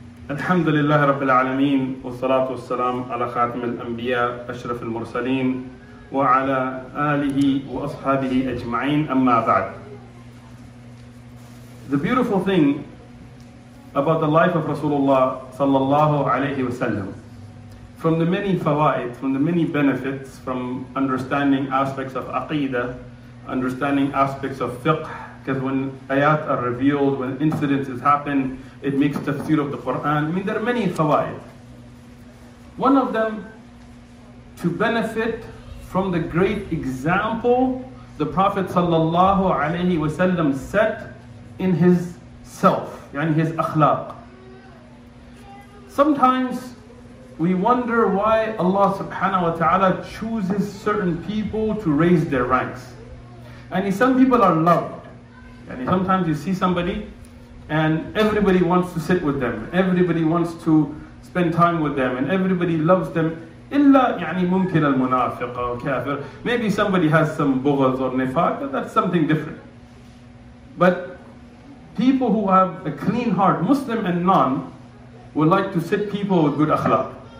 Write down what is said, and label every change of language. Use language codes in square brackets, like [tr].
[ar] الحمد لله رب العالمين والصلاة والسلام على خاتم الأنبياء أشرف المرسلين وعلى آله وأصحابه أجمعين أما بعد. [en] The beautiful thing about the life of Rasulullah [ar] صلى الله عليه وسلم, [en] from the many fawaid, from the many benefits, from understanding aspects of aqeedah, understanding aspects of fiqh, because when ayat are revealed, when incidences happen, it makes tafsir of the Qur'an. I mean, there are many fawaid. One of them, to benefit from the great example the Prophet sallallahu alayhi wa sallam set in his self, yani his akhlaq. Sometimes we wonder why Allah subhanahu wa ta'ala chooses certain people to raise their ranks. And some people are loved. And sometimes you see somebody and everybody wants to sit with them. Everybody wants to spend time with them and everybody loves them. [ar] Illa يعني ممكن المنافق أو كافر. [en] Maybe somebody has some bughaz or nifaq, that's something different. But people who have a clean heart, Muslim and non, would like to sit people with good akhlaq.